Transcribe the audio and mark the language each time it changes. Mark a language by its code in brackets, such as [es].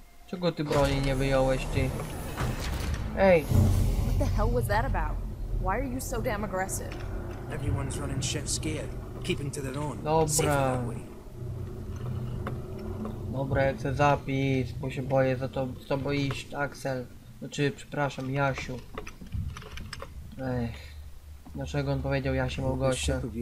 [pl] Czego ty broni nie wyjąłeś, ty? Ej! [en] What the hell was that about? Why are you so damn aggressive? Everyone's running shit scared, keeping to their own. [pl] Dobra. [en] Safe that way. [pl] No Dobra, ja chcę zapis, bo się boję za to, z tobą iść, Axel. Znaczy, przepraszam, Jasiu. Ech. Dlaczego on powiedział Jasiu, mał gościa?